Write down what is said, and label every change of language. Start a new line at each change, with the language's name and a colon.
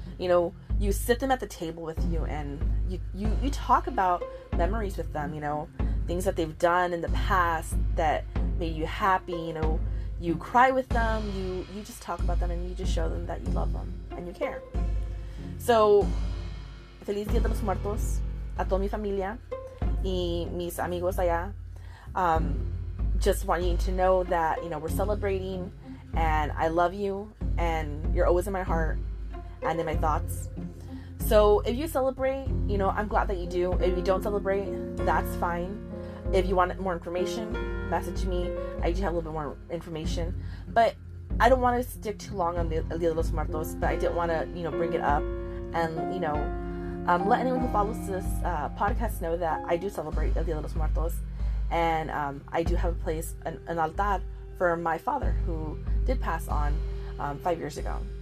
English: You know, you sit them at the table with you, and you talk about memories with them, you know, things that they've done in the past that made you happy, you know. You cry with them, you just talk about them, and you just show them that you love them and you care.
Spanish: So, feliz Día de los Muertos a toda mi familia y mis amigos allá.
English: Just wanting to know that, you know, we're celebrating, and I love you, and you're always in my heart and in my thoughts. So if you celebrate, you know, I'm glad that you do. If you don't celebrate, that's fine. If you want more information, message me. I do have a little bit more information, but I don't want to stick too long on the Día de los Muertos, but I didn't want to, you know, bring it up and, you know, let anyone who follows this podcast know that I do celebrate Día de los Muertos, and I do have a place, an altar for my father, who did pass on 5 years ago.